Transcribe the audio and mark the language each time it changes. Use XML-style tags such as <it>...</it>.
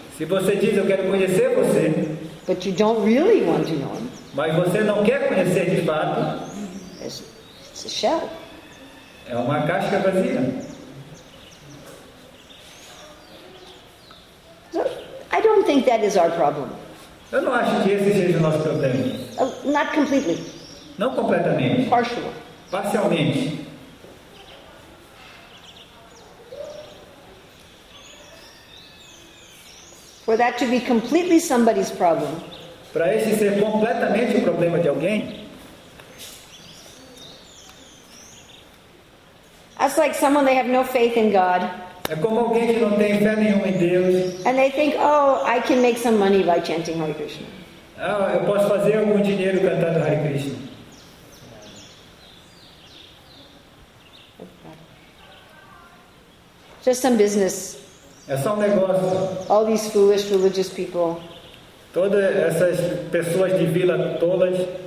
<pt>se você diz, eu quero conhecer você,</pt> <en>but you don't really want to know him,</en> <pt>mas você não quer conhecer de fato,</pt> <en>it's a shell.</en> <pt>É uma casca vazia.</pt> <en>So, I don't think that is our problem.</en> <pt>Eu não acho que esse seja o nosso problema.</pt> <en>Not completely.</en> <pt>Não completamente.</pt> <en>Partially.</en> <pt>Parcialmente.</pt> <en>For that to be completely somebody's problem,</en> <pt>para esse ser completamente o problema de alguém,</pt> <en>that's like someone they have no faith in God.</en> <pt>É como alguém que não tem fé nenhuma em Deus.</pt> <en>And they think, oh, I can make some money by chanting Hare Krishna.</en> <pt>Ah, eu posso fazer algum dinheiro cantando Hare Krishna.</pt> <en>Just some business.</en> <pt>É só negócio.</pt> <en>All these foolish religious people.</en> <pt>Todas essas pessoas de vila tolas.</pt>